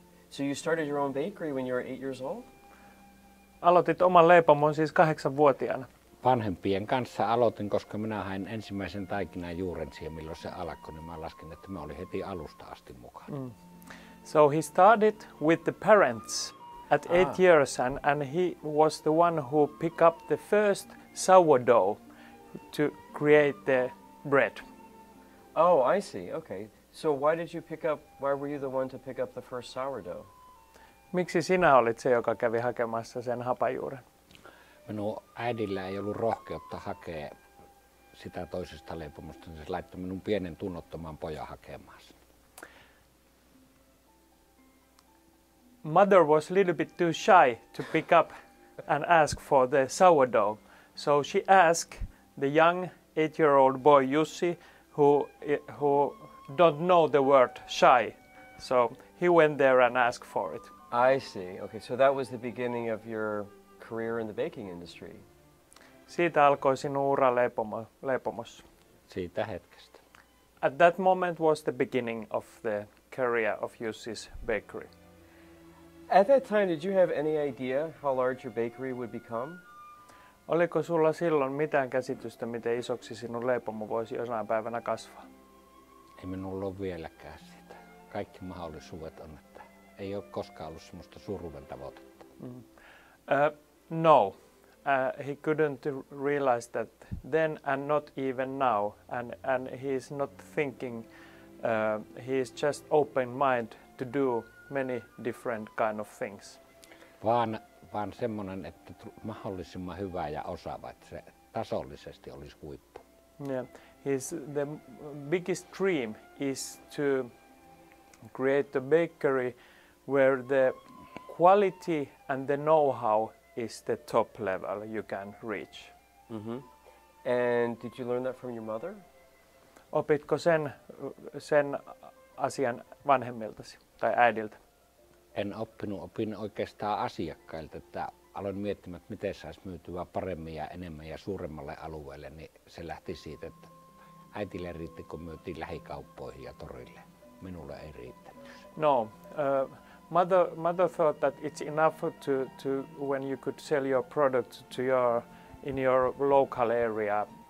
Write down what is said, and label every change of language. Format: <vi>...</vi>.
<en>So you started your own bakery when you were 8 years old?</en> <fi>Aloitit oman leipomon siis 8-vuotiaana. Vanhempien kanssa aloitin, koska minä hain ensimmäisen taikinan juuren siihen, milloin se alkoi, niin mä laskin, että mä olin heti alusta asti mukana. Mm.</fi> <en>So he started with the parents at 8 years and he was the one who picked up the first sourdough to create the bread. Oh, I see. Okay. So why were you the one to pick up the first sourdough?</en> <fi>Miksi sinä olit se, joka kävi hakemassa sen hapajuuren? Minun äidillä ei ollut rohkeutta hakea sitä toisesta leipomusta, niin se laittoi minun pienen tunnottoman pojan hakemaan sen.</fi> <en>Mother was a little bit too shy to pick up and ask for the sourdough. So she asked the young 8-year-old boy Jussi, who don't know the word shy. So he went there and asked for it. I see. Okay, so that was the beginning of your career in the baking industry.</en> <fi>Siitä alkoi sinun ura leipomossa. Siitä hetkestä.</fi> <en>At that moment was the beginning of the career of Jussi's bakery. At that time, did you have any idea how large your bakery would become?</en> <fi>Oliko sulla silloin mitään käsitystä, miten isoksi sinun leipomo voisi jonain päivänä kasvaa? Ei minulla ole vieläkään sitä. Kaikki mahdollisuudet on, että ei ole koskaan ollut semmoista suuruuden tavoitetta. Mm.</fi> <en>No. He couldn't realize that then and not even now. And he is not thinking. He is just open mind to do many different kind of things.</en> <fi>Vaan semmoinen, että mahdollisimman hyvä ja osaava, että se tasollisesti olisi huippu.</fi> <en>Yeah. The biggest dream is to create a bakery where the quality and the know-how is the top level you can reach. Mm-hmm. And did you learn that from your mother?</en> <fi>Opitko sen asian vanhemmiltasi tai äidiltä? En oppinut, opin oikeastaan asiakkailta, että aloin miettimään, että miten saisi myytyä paremmin ja enemmän ja suuremmalle alueelle, niin se lähti siitä, että äitille riitti, kun myytiin lähikauppoihin ja torille. Minulle ei riittänyt.</fi> <en>No, mother thought that it's enough to when you could sell your product to your local area.</en>